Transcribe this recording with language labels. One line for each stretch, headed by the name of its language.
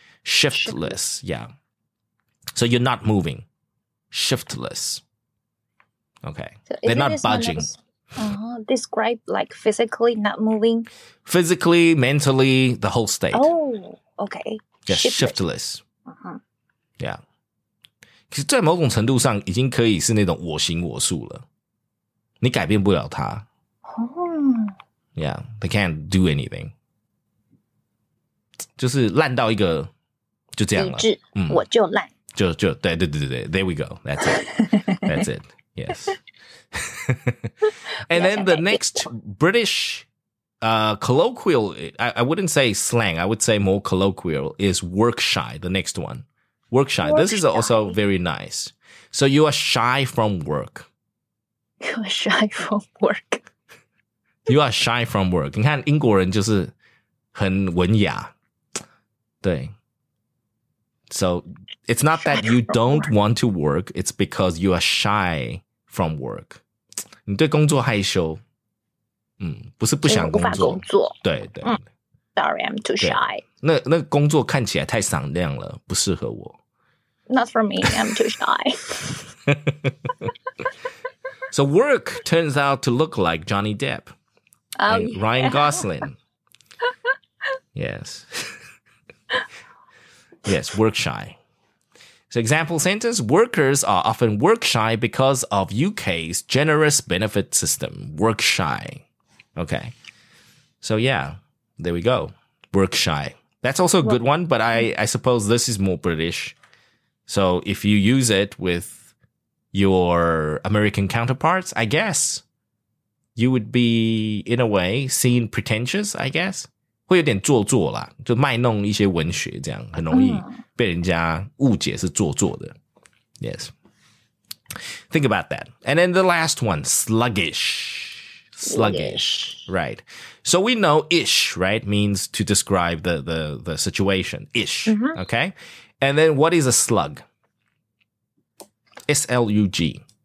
English: Shiftless, yeah. So you're not moving. Shiftless. Okay. So they're not budging. Describe like physically not moving? Physically, mentally, the whole state. Oh, okay. Yes, shiftless. Yeah.
Chinese: 其实在某种程度上已经可以是那种我行我素了。你改变不了他。
English: Yeah, they can't do anything.
Chinese: 就是烂到一个就这样了。理智，我就烂。就对对对对对
English: ，There we go. That's it. That's it. Yes. And then the next British colloquial, I wouldn't say slang, I would say more colloquial, is work shy, the next one. Work shy. Work this shy. Is also very nice. So you are shy from work. You are shy from work. You are shy from work.
Chinese: 你看英国人就是很文雅。对。
English: So it's not that you don't want to work, it's because you are shy from work.
Chinese: 你对工作害羞，不是不想工作，工作对对。
English: Sorry, I'm too shy.
Chinese: 那工作看起来太闪亮了，不适合我。
English: Not for me, I'm too shy. So work turns out to look like Johnny Depp and Ryan Gosling. Yes. Yes, work shy. So example sentence, workers are often work shy because of UK's generous benefit system. Work shy. Okay. So yeah, there we go. Work shy. That's also a good one, but I suppose this is more British. So if you use it with your American counterparts, I guess you would be, in a way, seen pretentious, I guess.
Chinese: 会有点做作啦，就卖弄一些文学，这样很容易被人家误解是做作的。
English: Yes, think about that. And then the last one, sluggish, right? So we know ish, right, means to describe the situation. Ish, okay. And then what is a slug? S-L-U-G.